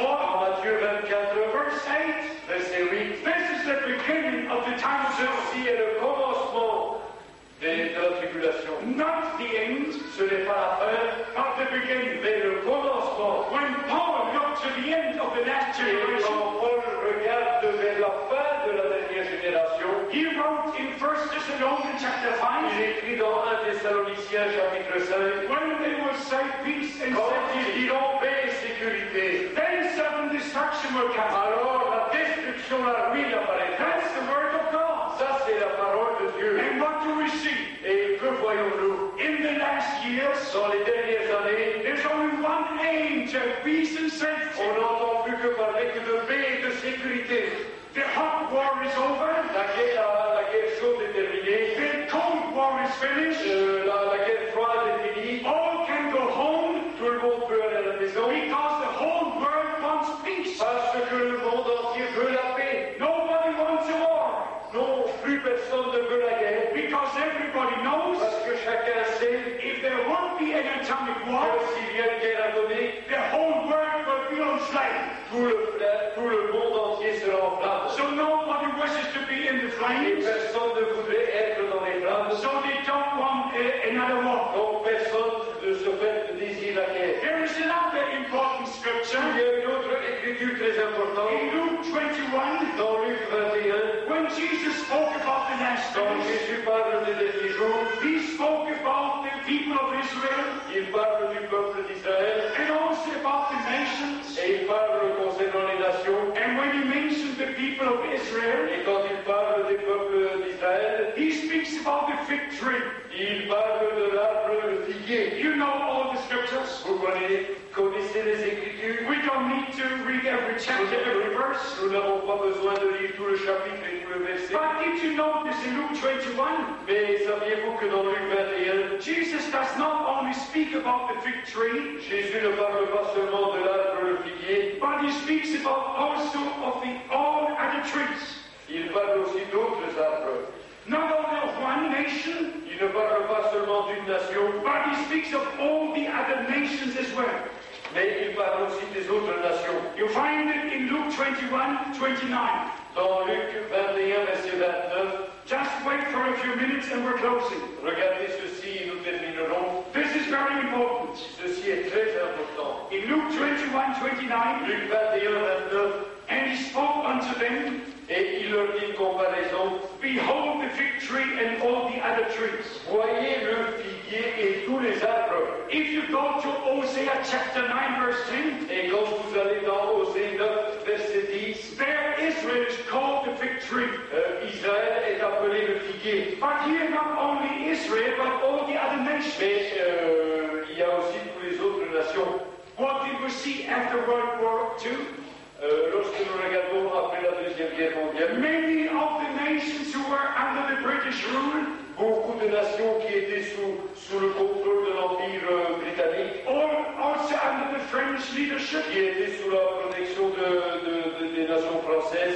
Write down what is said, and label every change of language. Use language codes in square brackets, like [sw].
[fr] En Matthieu 24. [en] Verse 8. [fr] Verset 8. [en] This is the beginning of the time of [fr] ceci est le commencement. De la tribulation. [en] Not the end, [fr] ce n'est pas la fin, [en] not the beginning, [fr] mais le commencement. [en] When Paul got to the end of the last generation, [fr] quand Paul regarde vers la fin de la dernière génération, [en] he wrote in 1 Thessalonians chapter 5, [fr] il écrit dans 1 Thessaloniciens chapitre 5, [en] when they will say peace and safety, [fr] ils diront paix et sécurité, [en] then sudden destruction will come. [fr] Alors la destruction, la ruine apparaîtra. [en] That's the word of God. [fr] Ça c'est la parole de Dieu. [en] And what do we see? [fr] Et que voyons-nous? [en] In the last years, [fr] dans les dernières années, [en] there's only one aim to peace and safety. [fr] On n'entend plus que parler que de paix et de sécurité. [en] The hot war is over. [fr] La guerre chaude est terminée. [en] The cold war is finished. [fr] La guerre froide est finie. [en] All can go home. [fr] Tout le monde peut aller à la maison. [en] Because the whole world wants peace. [fr] Parce que le monde entier veut la paix. [en] Nobody wants a war. [fr] Non, plus personne ne veut la guerre. [en] Because everybody knows. [fr] Parce que chacun sait. [en] If there won't be an atomic war. [fr] Que s'il y a une guerre atomique. [en] The whole world will be on flame. [fr] Tout le monde entier sera en flamme. [en] So nobody wishes to be in the flames. [fr] Et personne ne voudrait être dans les flammes. [en] So they don't want another war. [fr] Donc personne ne se fait désirer la guerre. [en] There is another important scripture. [fr] Il y a une autre écriture très importante. [en] In Luke 21. [fr] Dans Luc 21. [en] When Jesus spoke about the last days, [fr] Jésus parle des derniers jours, [en] he spoke about the people of Israel, [fr] il parle du peuple d'Israël, [en] and also about the nations, [fr] et il parle concernant les nations, [en] and when he mentions the people of Israel, [fr] et quand il parle des peuples d'Israël, [en] he speaks about the fig tree, [fr] il parle de l'arbre figuier. [en] You know all the scriptures. [fr] Connaissez les Écritures. [en] We don't need to read every chapter, every verse. [fr] Nous n'avons pas besoin de lire tout le chapitre et tout le verset. [en] But did you notice in Luke 21? [fr] Mais saviez-vous que dans Luc 21, [en] Jesus does not only speak about the fig tree. [fr] Jésus ne parle pas seulement de l'arbre figuier. [en] But he speaks about also of the all other trees. [fr] Il parle aussi d'autres arbres. [en] Not only of one nation. [fr] Il ne parle pas seulement d'une nation. [en] But he speaks of all the other nations as well. [fr] Mais il parle aussi des autres nations. [en] You find it in Luke 21:29. [fr] Dans Luc 21, verset 29. [en] Just wait for a few minutes and we're closing. [fr] Regardez ceci et nous terminerons. [en] This is very important. [fr] Ceci est très important. [en] In Luke 21:29, and he spoke unto them, [fr] et il leur dit en comparaison, [en] behold the fig tree and all the other trees. [fr] Voyez le figuier et tous les arbres. [en] If you go to Hosea chapter 9 verse 10, [fr] et quand vous allez dans Hosea 9 verset 10, [en] there Israel is called the fig tree. [fr] Israël est appelé le figuier. [en] But here not only Israel, but all the other nations. [fr] Mais il y a aussi tous les autres nations. [en] What did we see after World War II? [fr] Lorsque nous regardons après la Deuxième Guerre mondiale, [en] many of the nations who were under the British rule, [fr] beaucoup de nations qui étaient sous le contrôle de l'Empire britannique, [en] or also under the French leadership, [fr] qui étaient sous la protection des nations françaises,